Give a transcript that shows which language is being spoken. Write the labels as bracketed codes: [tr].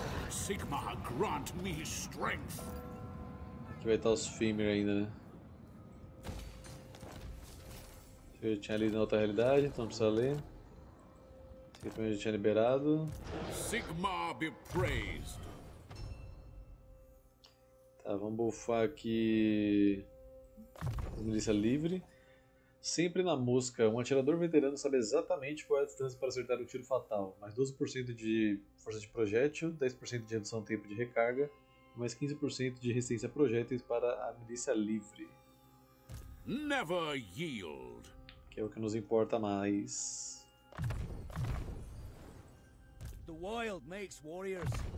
[en] Sigma, grant me strength. [pt] Aqui vai estar os Fimer ainda, né? Eu tinha lido na outra realidade, então não precisa ler. Esse aqui também já tinha liberado. [en] Sigma be praised. [pt] Tá, vamos buffar aqui. Milícia livre. Sempre na mosca, um atirador veterano sabe exatamente qual é a distância para acertar o tiro fatal. Mais 12% de força de projétil, 10% de redução ao tempo de recarga, mais 15% de resistência a projéteis para a milícia livre. [en] Never yield. [pt] Que é o que nos importa mais. [en] The wild makes warriors.